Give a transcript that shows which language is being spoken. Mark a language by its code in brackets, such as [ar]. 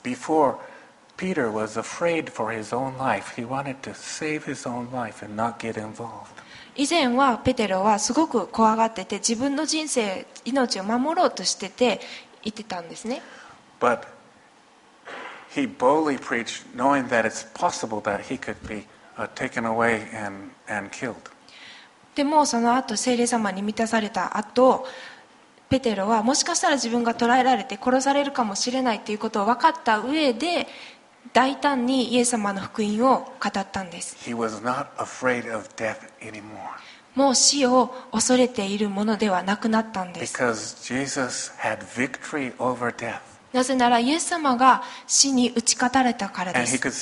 [en] Before, Peter was afraid for his own life. He wanted to save his own life and not get involved. [ja] 以前はペテロはすごく怖がってて、自分の人生、命を守ろうとしてて言ってたんですね。 [en] But,He boldly preached, knowing that it's possible that he could be taken away and killed. [ja] でもその後聖霊様に満たされた後、ペテロはもしかしたら自分が捕らえられて殺されるかもしれないということを分かった上で、大胆にイエス様の福音を語ったんです。 [en] He was not afraid of death anymore. [ja] もう死を恐れているものではなくなったんです。 [en] Because Jesus had victory over death. [ja] なぜならイエス様が死に打ち勝たれたからです。